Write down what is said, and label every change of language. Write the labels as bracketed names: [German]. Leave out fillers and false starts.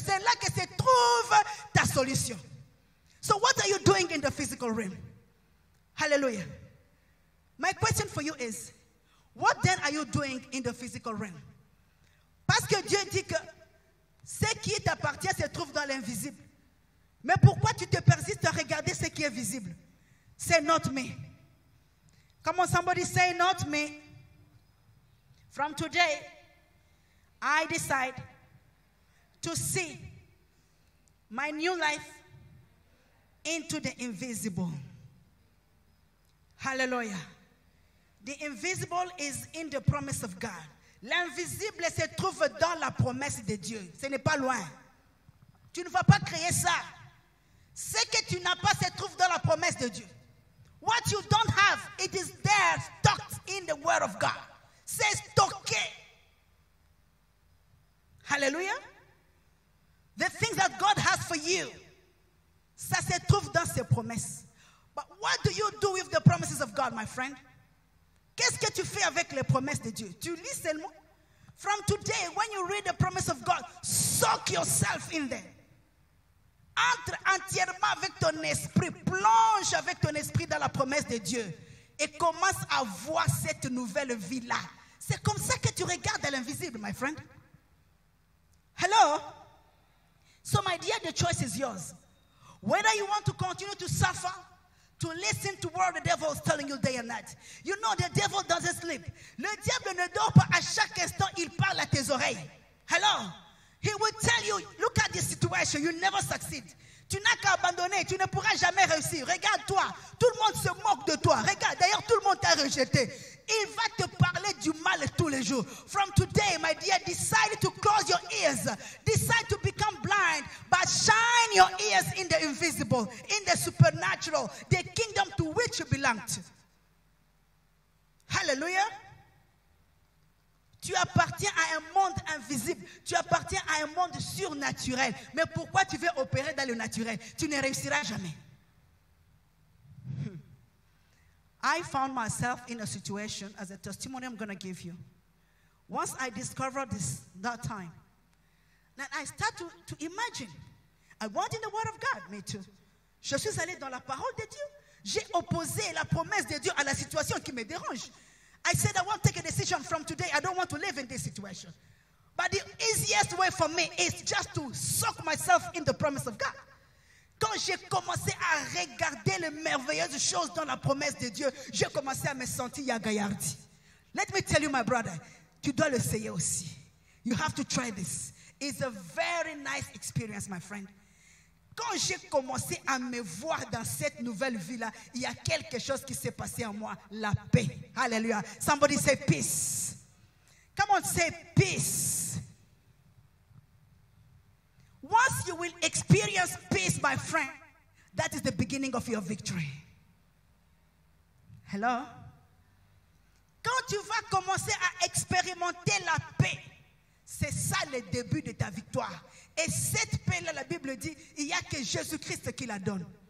[French] C'est là que se trouve ta solution. [English] So what are you doing in the physical realm? Hallelujah. My question for you is, what then are you doing in the physical realm? [French] Parce que Dieu dit que ce qui t'appartient se trouve dans l'invisible. Mais pourquoi tu te persistes à regarder ce qui est visible? [English] C'est not me. Come on, somebody say not me. From today, I decide to see my new life into the invisible. Hallelujah. The invisible is in the promise of God. [French] L'invisible se trouve dans la promesse de Dieu. Ce n'est pas loin. Tu ne vas pas créer ça. Ce que tu n'as pas se trouve dans la promesse de Dieu. [English] What you don't have, it is there stocked in the word of God. [French] C'est stocké. [English] Hallelujah. The things that God has for you, [French] ça se trouve dans ses promesses. [English] But what do you do with the promises of God, my friend? [French] Qu'est-ce que tu fais avec les promesses de Dieu? Tu lis seulement? [English] From today, when you read the promise of God, soak yourself in them. [French] Entre entièrement avec ton esprit, plonge avec ton esprit dans la promesse de Dieu et commence à voir cette nouvelle vie-là. C'est comme ça que tu regardes l'invisible, [English] my friend. Hello? So my dear, the choice is yours. Whether you want to continue to suffer, to listen to what the devil is telling you day and night. You know, the devil doesn't sleep. [French] Le diable ne dort pas à chaque instant, il parle à tes oreilles. [English] Hello? He will tell you, look at this situation, you never succeed. [French] Tu n'as qu'à abandonner, tu ne pourras jamais réussir. Regarde-toi, tout le monde se moque de toi. Regarde, d'ailleurs, tout le monde t'a rejeté. Il va te parler du mal tous les jours. [English] From today, my dear, decide to close your ears. Decide to become blind, but shine your ears in the invisible, in the supernatural, the kingdom to which you belong to. [French] Hallelujah. Tu appartiens à un monde invisible. Tu appartiens à un monde surnaturel. Mais pourquoi tu veux opérer dans le naturel? Tu ne réussiras jamais. [English] I found myself in a situation, as a testimony I'm going to give you. Once I discovered this, that time, then I start to imagine. I went in the word of God, me too. [French] Je suis allé dans la parole de Dieu. J'ai opposé la promesse de Dieu à la situation qui me dérange. [English] I said, I want to take a decision from today. I don't want to live in this situation. But the easiest way for me is just to soak myself in the promise of God. [French] Quand j'ai commencé à regarder les merveilleuses choses dans la promesse de Dieu, j'ai commencé à me sentir yagayardi. [English] Let me tell you, my brother, [French] tu dois l'essayer aussi. [English] You have to try this. It's a very nice experience, my friend. [French] Quand j'ai commencé à me voir dans cette nouvelle vie-là, il y a quelque chose qui s'est passé en moi, la paix. [English] Hallelujah. Somebody say peace. Come on, say peace. Once you will experience peace, my friend, that is the beginning of your victory. Hello? [French] Quand tu vas commencer à expérimenter la paix, c'est ça le début de ta victoire. Et cette paix-là, la Bible dit, il n'y a que Jésus-Christ qui la donne.